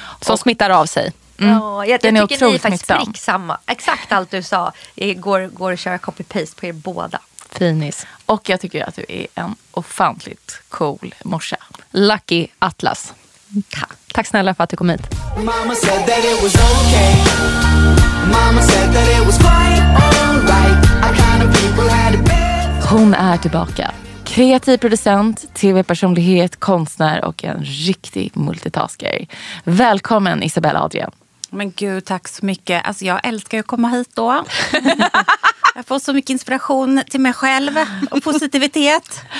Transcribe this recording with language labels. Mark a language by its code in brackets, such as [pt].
[sv] Som smittar av sig. Jag tycker ni är faktiskt prick samma. Exakt allt du sa. Går att köra copy-paste på er båda. Finis. Och jag tycker att du är en ofantligt cool morsa. Lucky Atlas. Tack. Tack snälla för att du kom hit. [en] Mama said that it was okay. Mama said that it was quite alright. I kind of people had it bad. [sv] Hon är tillbaka. Kreativ producent, tv-personlighet, konstnär och en riktig multitasker. Välkommen Isabella Adrian. Men gud, tack så mycket. Alltså jag älskar att komma hit då. Jag får så mycket inspiration till mig själv och positivitet.